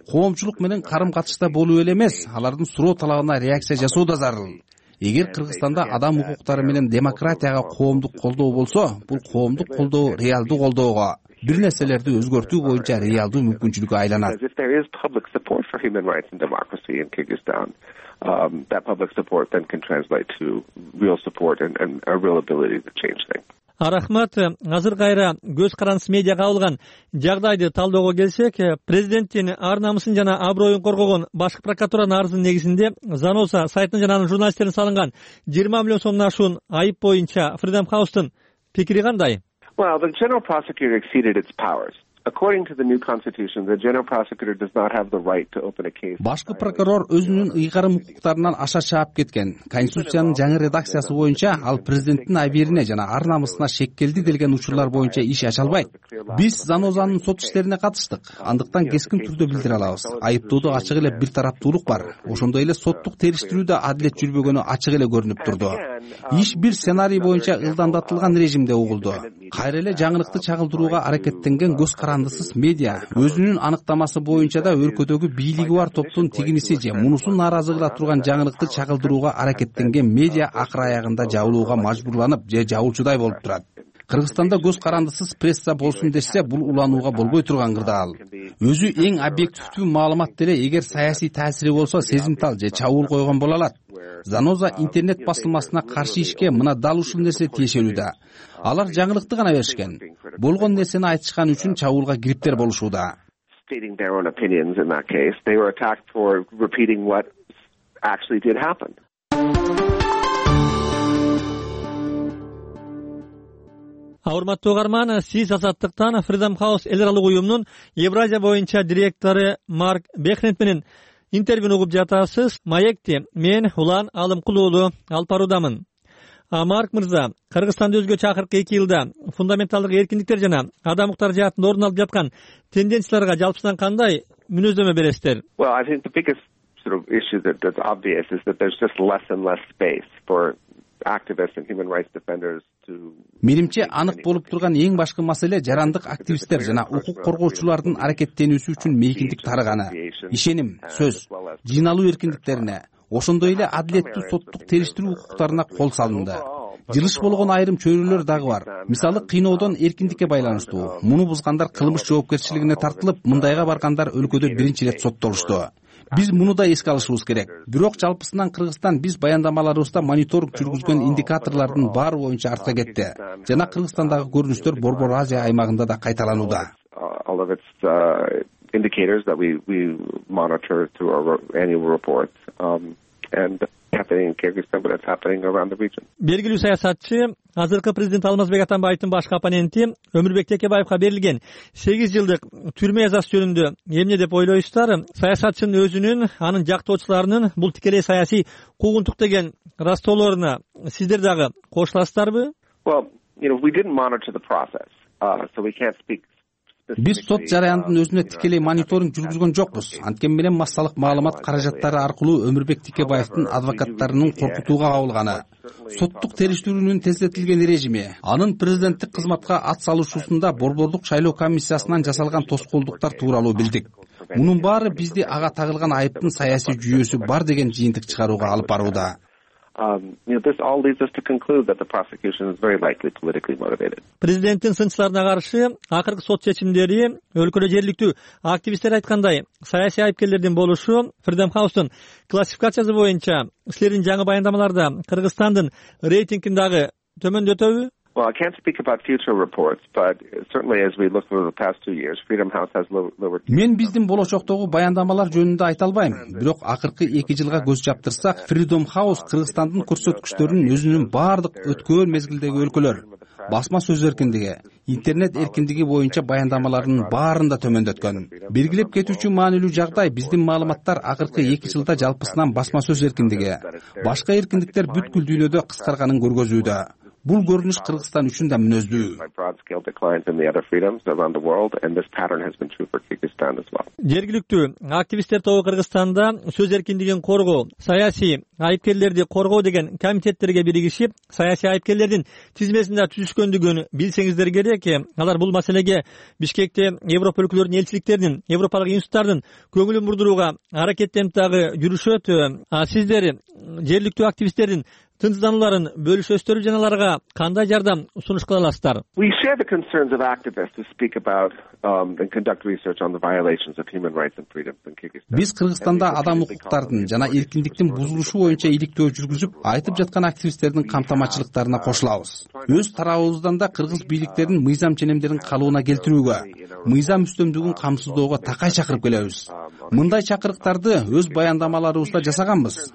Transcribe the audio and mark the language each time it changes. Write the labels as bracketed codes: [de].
[ky] Коомчулук менен карым-катышта болуу эле эмес, алардын суроо талабына реакция жасоо да зарыл. Эгер Кыргызстанда адам укуктары менен демократияга коомдук колдоо болсо, бул коомдук колдоо реалдуу колдоого, бир нерселерди өзгөртүү боюнча реалдуу мүмкүнчүлүккө айланат. [en] That public support then can translate to real support and a real ability to change things. [ky] Рахмат. Азыр кайра көз карандысыз медиага алган жагдайды талдоого келсек, президенттин ар намысын жана аброюн коргогон башкы прокуратуранын арызынын негизинде Заноза сайтына жана анын журналисттерине салынган 20 миллион сомдон ашуун айып боюнча Freedom House'тун пикири кандай? [en] Well, the general prosecutor exceeded its powers. According to the new constitution, the general prosecutor does not have the right to open a case. [ky] Башкы прокурор өзүнүн ыйгарым укуктарынан аша чаап кеткен. Конституциянын жаңы редакциясы боюнча ал президенттин абийирине жана ар намысына шек келди деген учурлар боюнча иш ача албайт. Биз Занозанын сот иштерине катыштык. Андыктан кескин түрдө билдире алабыз. Айыптоодо ачык эле бир тараптуулук бар. Ошондой эле соттук териштирүүдө адилет жүрбөгөнү ачык эле көрүнүп турду. Иш бир сценарий боюнча ылдамдатылган режимде угулду. Кайра эле жаңылыкты чагылдырууга аракеттенген көз карандысыз медиа өзүнүн аныктамасы боюнча да өлкөдөгү бийлиги бар топтун тигиниси же мунусу нааразы кыла турган жаңылыкты чагылдырууга аракеттенген медиа акыр аягында жабылууга мажбурланып же жабылчудай болуп турат. Кыргызстанда көз карандысыз пресса болсун десе бул уланууга болбой турган кырдаал. Өзү эң объективдүү маалымат деле эгер саясий таасири болсо сезимтал же чабуул койгон боло алат. Заноза интернет басылмасына каршы ишке мына дал ушул нерсе тиешелүүдө. Алар жаңылыкты гана беришкен. Болгон нерсени айтышкан үчүн чабуулга кириптер болушууда. [en] Stating their own opinions in that case, they were attacked for repeating what actually did happen. [ky] Урматтуу угарман, сиз азаттыктан Freedom House эл аралык уюмунун Евразия боюнча директору Марк Бехнет менен интервьюну угуп жатасыз. Маекти, мен Улан Алымкулуулу алып баруудамын. Марк мырза, Кыргызстанда өзгөчө акыркы 2 жылда фундаменталдык эркиндиктер жана адам укуктары жаатында орун алып жаткан тенденцияларга жалпысынан кандай мүнөздөмө бересиздер? [en] Well, I think the biggest sort of issue that's obvious is that there's just less and less space for activists and human rights defenders. [ky] Менимче анык болуп турган эң башкы маселе жарандык активисттер жана укук коргоочулардын аракеттенүүсү үчүн мейкиндик тарыганы, ишеним, сөз, жыйналуу эркиндиктерине, ошондой эле адилеттүү соттук териштирүү укуктарына кол салынды. Жылыш болгон айрым чөйрөлөр дагы бар. Мисалы, кыйноодон эркиндикке байланыштуу. Муну бузгандар кылмыш жоопкерчилигине тартылып, мындайга баргандар өлкөдө биринчи ирет соттолушту. Биз муну да эске алышыбыз керек. Бирок жалпысынан Кыргызстан биз баяндамаларыбызда мониторинг жүргүзгөн индикаторлордун баары боюнча артка кетти. Жана Кыргызстандагы көрүнүштөр Борбор Азия аймагында да кайталанууда. [en] All of its indicators that we monitor through our annual report and happening in Kyrgyzstan but it's happening around the region. [ky] Белгилүү саясатчы, азыркы президент Алмазбек Атамбаевдин башкы оппоненти Өмүрбек Текебаевка берилген 8 жылдык түрмө жазасы жөнүндө эмне деп ойлойсуздар? Саясатчынын өзүнүн, анын жактоочуларынын бул тикелей саясий куугунтук деген ырастоолоруна сиздер дагы кошуласыздарбы? [en] Well, you know, we didn't monitor the process, so we can't speak. [ky] Биз сот жараяндын өзүнө тикелей мониторинг жүргүзгөн жокпуз. Анткени менен массалык маалымат каражаттары аркылуу Өмүрбек Текебаевдин адвокаттарынын коркутууга кабылганы, соттук териштирүүнүн тездетилген режими, анын президенттик кызматка ат салышуусунда борбордук шайлоо комиссиясынан жасалган тоскоолдуктар тууралуу билдик. Мунун баары бизди ага тагылган айыптын саясий жүйөсү бар деген жыйынтык чыгарууга алып барууда. [en] This all leads us to conclude that the prosecution is very likely politically motivated. [ky] Президенттин сынчыларына каршы акыркы сот чечимдери өлкөдө жергиликтүү активисттер айткандай саясий айыпкерлердин болушу Freedom House'тун классификациясы боюнча силердин жаңы баяндамаларда Кыргызстандын рейтингин дагы төмөндөтөбү? [en] Well, I can't speak about future reports, but certainly as we look over the past 2 years, Freedom House has lowered. [ky] Мен биздин болочоктогу баяндамалар жөнүндө айта албайм, бирок акыркы 2 жылга көз жаптырсак, Freedom House Кыргызстандын көрсөткүчтөрүн өзүнүн бардык өткөн мезгилдеги өлкөлөр, басма сөз эркиндиги, интернет эркиндиги боюнча баяндамаларынын баарын да төмөндөткөн. Белгилеп кетүүчү маанилүү жагдай биздин маалыматтар акыркы 2 жылда жалпысынан басма сөз эркиндиги, башка эркиндиктер бүткүл дүйнөдө кыскарганын көргөзүүдө. Бул көрүнүш Кыргызстан үчүн да мүнөздүү. Жергиликтүү активисттер тобу Кыргызстанда сөз эркиндигин коргоо, саясий айыпкерлерди коргоо деген комитеттерге биригишип, саясий айыпкерлердин тизмесинде түзүшкөндүгүн билсеңиздер керек. Алар бул маселеге Бишкекте Европа өлкөлөрүнүн элчиликтеринин, Европалык институттардын көңүлүн бурдурууга аракеттенип дагы жүрүшөт. А сиздер жергиликтүү активисттердин тынчсызданууларын бөлүшөсүздөрбү жана аларга кандай жардам сунуш кыла аласыздар? [en] We share the concerns of activists who speak about and conduct research on the violations of human rights and freedoms in Kyrgyzstan. [ky] Биз Кыргызстанда адам укуктарынын жана эркиндиктин бузулушу боюнча иликтөө жүргүзүп, айтып жаткан активисттердин камтамачылыктарына кошулабыз. Өз тарабыбыздан да кыргыз бийликтеринин мыйзам ченемдерин калыбына келтирүүгө, мыйзам үстөмдүгүн камсыздоого такай чакырып келебиз. Мындай чакырыктарды өз баяндамаларыбызда жасаганбыз.